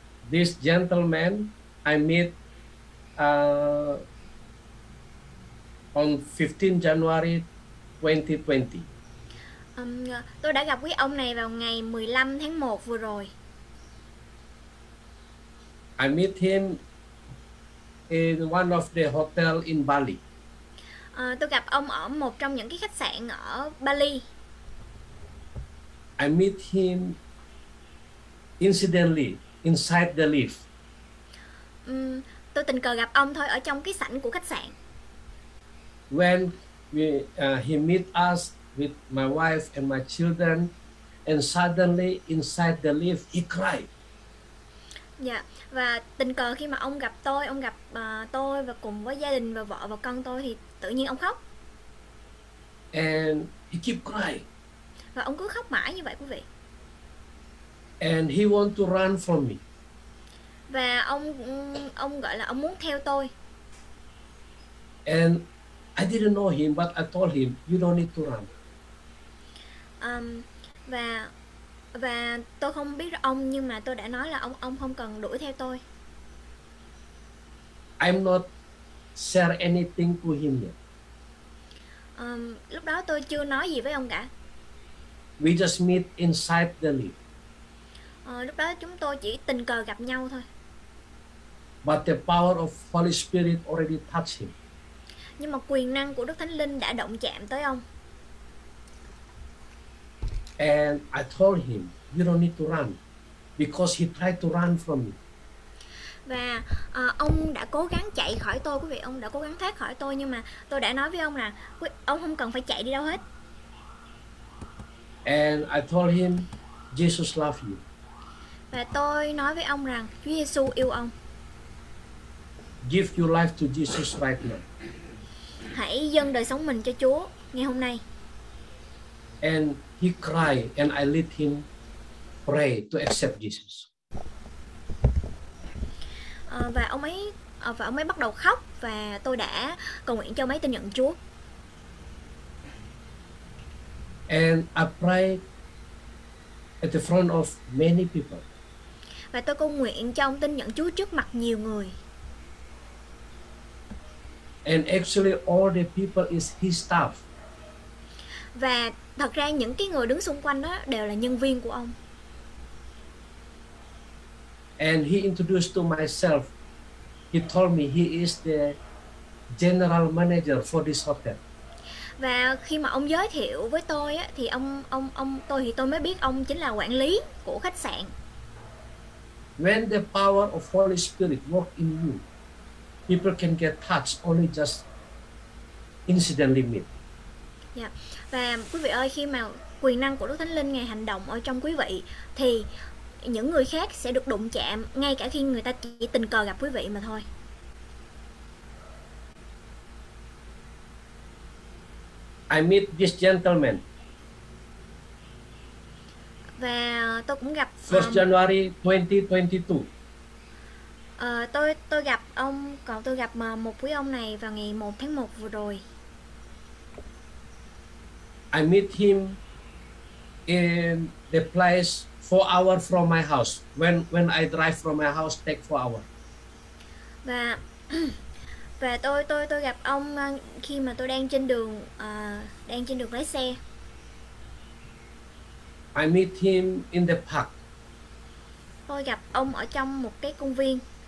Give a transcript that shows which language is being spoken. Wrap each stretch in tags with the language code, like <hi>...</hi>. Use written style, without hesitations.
<en>This gentleman I meet on 15 January 2020.</en> <vi>Tôi đã gặp quý ông này vào ngày 15 tháng 1 vừa rồi.</vi> <en>I meet him in one of the hotel in Bali.</en> <vi>Tôi gặp ông ở một trong những cái khách sạn ở Bali.</vi> <en>I meet him incidentally inside the lift.</en> <vi>Tôi tình cờ gặp ông thôi ở trong cái sảnh của khách sạn.</vi> <en>When we he meet us with my wife and my children, and suddenly inside the lift he cried.</en> <vi>Dạ, và tình cờ khi mà ông gặp tôi và cùng với gia đình và vợ và con tôi thì tự nhiên ông khóc.</vi> <en>And he keep crying.</en> <vi>Và ông cứ khóc mãi như vậy quý vị.</vi> <en>And he want to run from me.</en> <vi>Và ông gọi là ông muốn theo tôi.</vi> <en>And I didn't know him, but I told him, you don't need to run.</en> <vi>Và tôi không biết ông, nhưng mà tôi đã nói là ông không cần đuổi theo tôi.</vi> <en>I'm not share anything to him yet.</en> <vi>Lúc đó tôi chưa nói gì với ông cả.</vi> <en>We just meet inside Delhi.</en> <vi>Lúc đó chúng tôi chỉ tình cờ gặp nhau thôi.</vi> <en>But the power of Holy Spirit already touched him.</en> <vi>Nhưng mà quyền năng của Đức Thánh Linh đã động chạm tới ông.</vi> <en>And I told him, you don't need to run, because he tried to run from me.</en> <vi>Và ông đã cố gắng chạy khỏi tôi, quý vị, ông đã cố gắng thoát khỏi tôi, nhưng mà tôi đã nói với ông là ông không cần phải chạy đi đâu hết.</vi> <en>And I told him, Jesus loves you.</en> <vi>Và tôi nói với ông rằng Chúa Giêsu yêu ông.</vi> <en>Give your life to Jesus right now.</en> <vi>Hãy dâng đời sống mình cho Chúa ngày hôm nay.</vi> <en>And he cried and I led him pray to accept Jesus.</en> <vi>Và ông ấy bắt đầu khóc và tôi đã cầu nguyện cho ông ấy tin nhận Chúa.</vi> <en>And I prayed at the front of many people.</en> <vi>Và tôi cầu nguyện cho ông tin nhận Chúa trước mặt nhiều người.</vi> <en>And actually all the people is his staff.</en> <vi>Và thật ra những cái người đứng xung quanh đó đều là nhân viên của ông.</vi> <en>And he introduced to myself. He told me he is the general manager for this hotel.</en> <vi>Và khi mà ông giới thiệu với tôi á, thì tôi mới biết ông chính là quản lý của khách sạn.</vi> <en>When the power of Holy Spirit work in you, people can get touched only just incidentally meet. Yeah.</en> <vi>Và quý vị ơi, khi mà quyền năng của Đức Thánh Linh ngày hành động ở trong quý vị thì những người khác sẽ được đụng chạm ngay cả khi người ta chỉ tình cờ gặp quý vị mà thôi.</vi> <en>I meet this gentleman.</en> <vi>Và tôi cũng gặp</vi> <en>First January 2022.</en> <vi>Tôi gặp một quý ông này vào ngày 1 tháng 1 vừa rồi.</vi> <en>I meet him in the place 4 hours from my house. When I drive from my house, take 4 hours.</en> <vi>Và tôi gặp ông khi mà tôi đang trên đường lái xe.</vi> <en>I meet him in the park.</en> <vi>Tôi gặp ông ở trong một cái công viên.</vi>